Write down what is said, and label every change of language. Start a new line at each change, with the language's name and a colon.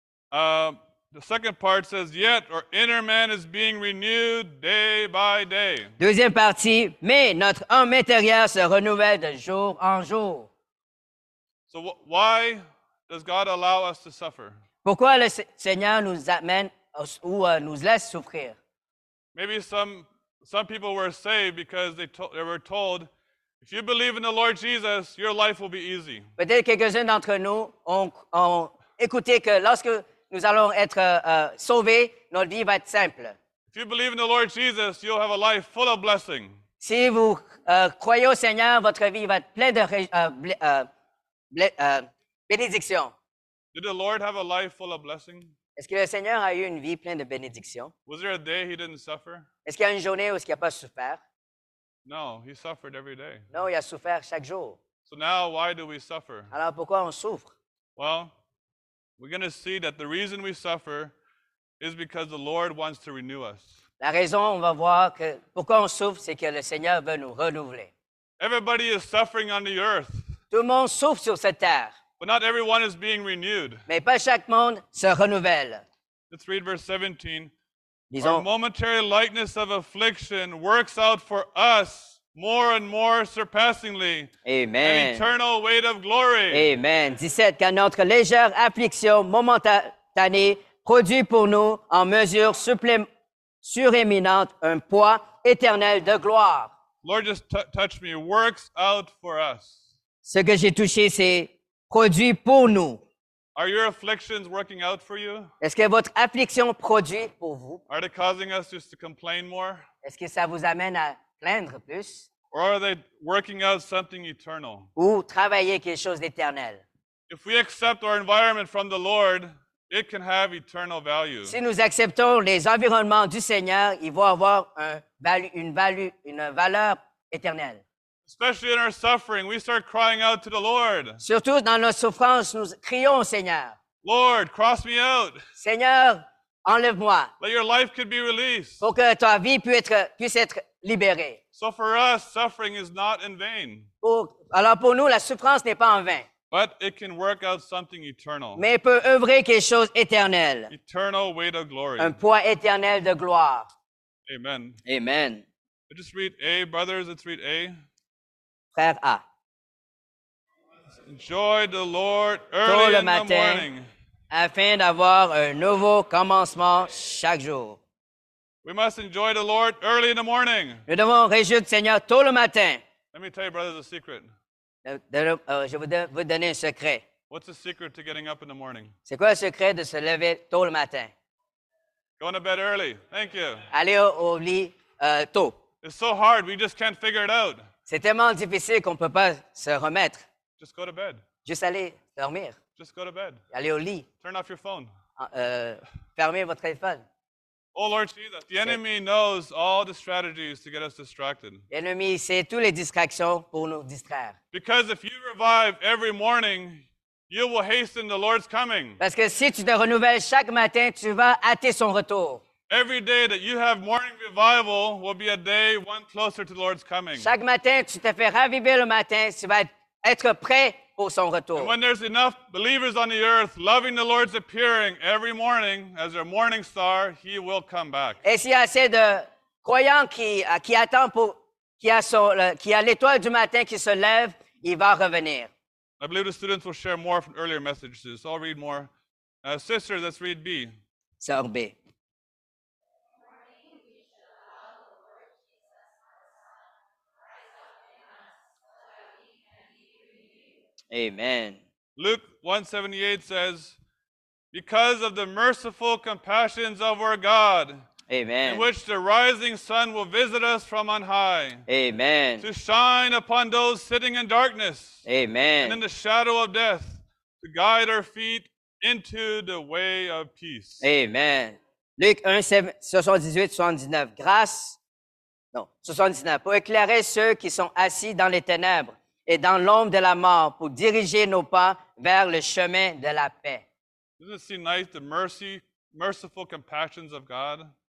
English: The second part says, yet our inner man is being renewed day by day.
French: Deuxième partie, mais notre homme intérieur se renouvelle de jour en jour.
English: So why does God allow us to suffer?
French: Pourquoi le Seigneur nous amène ou nous laisse souffrir?
English: Maybe some people were saved because they were told, if you believe in the Lord Jesus, your life will be easy.
French: Peut-être quelques-uns d'entre nous ont écouté que lorsque nous allons être sauvés, notre vie va être simple.
English: If you believe in the Lord Jesus, you'll have a life full of blessing.
French: Si vous croyez au Seigneur, votre vie va être pleine de bénédiction.
English: Did the Lord have a life full of blessing?
French: Est-ce que le Seigneur a eu une vie pleine de bénédiction?
English: Was there a day he didn't suffer?
French: Est-ce qu'il y a une journée où il n'a pas souffert?
English: No, he suffered every day.
French: Non, il a souffert chaque jour.
English: So now why do we suffer?
French: Alors pourquoi on souffre?
English: Well, We're going to see that the reason we suffer is because the Lord wants to renew us.
French: La raison, on va voir que pourquoi on souffre, c'est que le Seigneur veut nous renouveler.
English: Everybody is suffering on the earth.
French: Tout le monde souffre sur cette terre.
English: But not everyone is being renewed.
French: Mais pas chaque monde se renouvelle.
English: Let's read verse 17.
French: Disons,
English: our momentary lightness of affliction works out for us more and more surpassingly Amen. An eternal weight of glory. Amen. 17.
French: Car notre légère affliction momentanée produit pour nous en mesure suréminente un poids éternel de gloire.
English: Lord, just touch me. Works out for us.
French: Ce que j'ai touché, c'est produit pour nous.
English: Are your afflictions working out for you?
French: Est-ce que votre affliction produit pour vous?
English: Are they causing us just to complain more?
French: Est-ce que ça vous amène à plaindre plus?
English: Or are they working out something eternal?
French: Ou travailler quelque chose d'éternel?
English: If we accept our environment from the Lord, it can have eternal value.
French: Si nous acceptons les environnements du Seigneur, ils vont avoir une valeur éternelle.
English: Especially in our suffering, we start crying out to the Lord.
French: Surtout dans nos souffrances, nous crions au Seigneur.
English: Lord, cross me out.
French: Seigneur, enlève-moi.
English: Let your life could be released.
French: Pour que ta vie puisse être libérée.
English: So for us, suffering is not in vain.
French: Alors pour nous, la souffrance n'est pas en vain.
English: But it can work out something eternal.
French: Mais peut œuvrer quelque chose éternel.
English: Eternal weight of glory.
French: Un poids éternel de gloire.
English: Amen.
French: Amen.
English: Let's just read A, brothers. Let's read A.
French: Frère A.
English: Enjoy the Lord early
French: tôt le matin,
English: in the morning.
French: Afin d'avoir un nouveau commencement chaque jour.
English: We must enjoy the Lord early in the morning.
French: Nous devons réjouir le Seigneur tôt le matin.
English: Let me tell you, brothers, a secret.
French: Je vais vous donner un secret.
English: What's the secret to getting up in the morning?
French: C'est quoi le secret de se lever tôt le matin?
English: Going to bed early. Thank you.
French: Aller au lit tôt.
English: It's so hard, we just can't figure it out.
French: C'est tellement difficile qu'on ne peut pas se remettre.
English: Just go to bed.
French: Juste aller dormir.
English: Just go to bed.
French: Aller au lit.
English: Turn off your phone.
French: Fermez votre téléphone.
English: Oh Lord Jesus, the enemy knows all the strategies to get us distracted.
French: L'ennemi sait toutes les distractions pour nous distraire.
English: Because if you revive every morning, you will hasten the Lord's coming.
French: Parce que si tu te renouvelles chaque matin, tu vas hâter son retour.
English: Every day that you have morning revival will be a day one closer to the Lord's coming.
French: Chaque matin, tu te fais raviver le matin, tu vas être prêt pour son retour.
English: And when there's enough believers on the earth loving the Lord's appearing every morning as their morning star, He will come back.
French: Et s'il y a assez de croyants qui attend pour qui a l'étoile du matin qui se lève, il va revenir.
English: I believe the students will share more from earlier messages. So I'll read more. Sister, let's read B.
French: Sœur B.
English: Amen. Luke 1:78 says, because of the merciful compassions of our God, Amen. In which the rising sun will visit us from on high, Amen. To shine upon those sitting in darkness, Amen. And in the shadow of death, to guide our feet into the way of peace. Amen.
French: Luke 1:78-79, pour éclairer ceux qui sont assis dans les ténèbres, et dans l'ombre de la mort, pour diriger nos pas vers le chemin de la paix.
English: Isn't it so nice, the merciful compassions of God?